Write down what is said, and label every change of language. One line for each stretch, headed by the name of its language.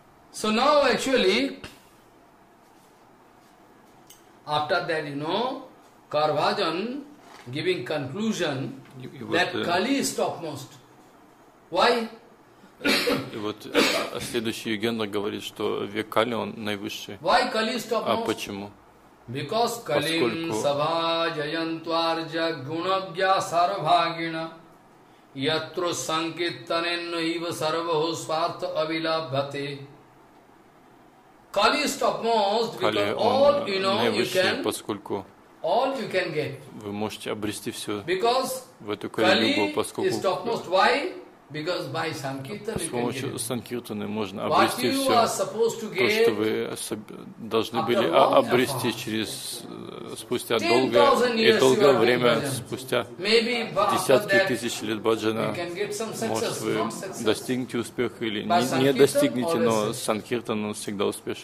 English: So now actually, after that, you know, Karbhajan giving conclusion that Kali is topmost. Why?
Russian: И вот следующий легенда говорит, что век Кали он наивысший.
English: Why Kali is topmost?
Russian: А почему?
English: Because
Sanskrit: Kalim Sabha Jayantvarja Gunagya Sarvagina Yatru Sankirtanenna Iva Sarvahu Svartha Avilabhate.
English: Kali is topmost because all you know you can,
Russian: поскольку
English: all you can get.
Russian: Вы можете обрести все.
English: Because
Russian: в эту Кали-югу, поскольку
English: is topmost. Why? Because by sankirtan you can get.
Russian: С помощью санкиртаны можно обрести все. То, что вы должны были обрести через спустя долгое и долгое время, спустя десятки тысяч лет баджана, может вы достигнете успеха или не достигнете, но санкиртан всегда успешен.